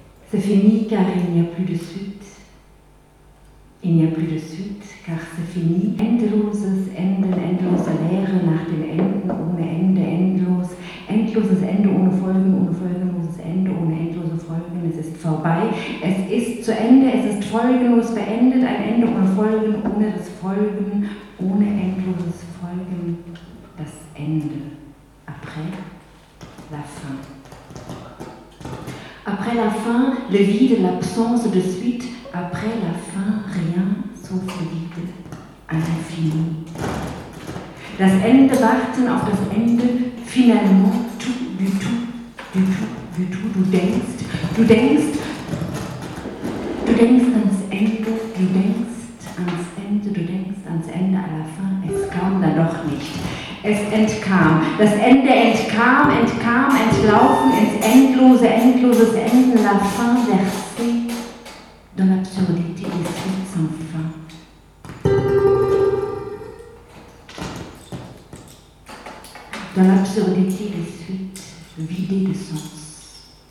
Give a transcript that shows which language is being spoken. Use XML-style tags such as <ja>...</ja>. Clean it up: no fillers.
<fr>C'est fini car il n'y a plus de suite. Il n'y a plus de suite car c'est fini.</fr> <de>Endloses Enden, endlose Leere nach den Enden, ohne Ende, endlos. Endloses Ende ohne Folgen, ohne folgenloses Ende, ohne endlose Folgen. Es ist vorbei, es ist zu Ende, es ist folgenlos beendet. Ein Ende ohne Folgen, ohne das Folgen, ohne endloses Folgen. Das Ende.</de> <fr>Après la fin. Après la fin, le vide, l'absence de suite. Après la fin, rien sauf le vide, à l'infini.</fr> <de>Das Ende, warten auf das Ende,</de> <fr>finalement, tout, du tout, du tout,</fr> <de>du tout, du denkst ans Ende, du denkst ans Ende, du denkst ans Ende,</de> <fr>à la fin,</fr> <de>es kam dann doch nicht. Es entkam. Das Ende entkam, entkam, entlaufen ins endlose, endloses Ende.</de> <fr>La fin versée dans l'absurdité des suites sans fin. Dans l'absurdité des suites vidées de sens.</fr>